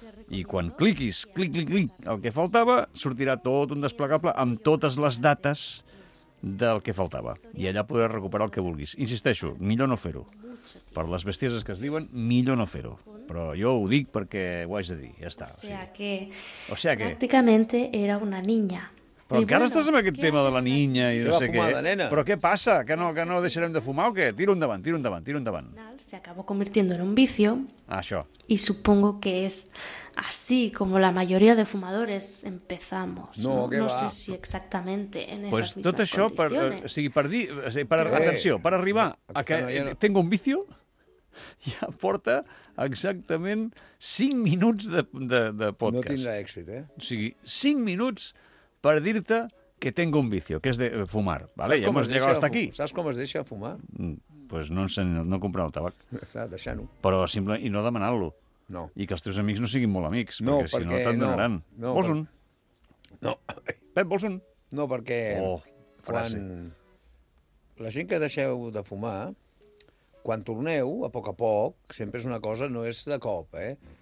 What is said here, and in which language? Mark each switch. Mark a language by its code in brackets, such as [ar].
[ca] I quan cliquis, clic, el que faltava, sortirà tot un desplegable amb totes les dates del que faltava. I allà podràs recuperar el que vulguis. Insisteixo, millor no fer-ho. Per les bestieses que es diuen, millor no fer-ho. Però jo ho dic perquè ho haig de dir. Ja està. [es] O sea que... Prácticamente era una niña. [ca] Però encara estàs amb aquest tema de la niña i no sé què. Nena. Però què passa? Que no deixarem de fumar o què? Tiro endavant. [es] Se acabó convirtiendo en un vicio. [ca] Això. [es] Y supongo que es así como la mayoría de fumadores empezamos. No sé si exactamente en esas pues mismas [ca] tot això [es] condiciones. [ca] Atenció, per arribar a que [es] tengo un vicio, [ca] ja porta exactament 5 minuts de podcast. No tindrà èxit, eh? O sigui, 5 minuts... per dir-te que [es] tengo un vicio, [ca] que és de fumar. [es] Vale, ja hemos llegado hasta aquí. [ca] Saps com es deixa fumar? Pues no comprar el tabac. Deixant-ho. Però simple, i no demanant-lo. No. I que els teus amics no siguin molt amics, no, perquè si no te'n donaran. No, vols un? No. Pep, vols un? No, perquè... Oh, quan la gent que deixeu de fumar, quan torneu, a poc, sempre és una cosa, no és de cop, eh?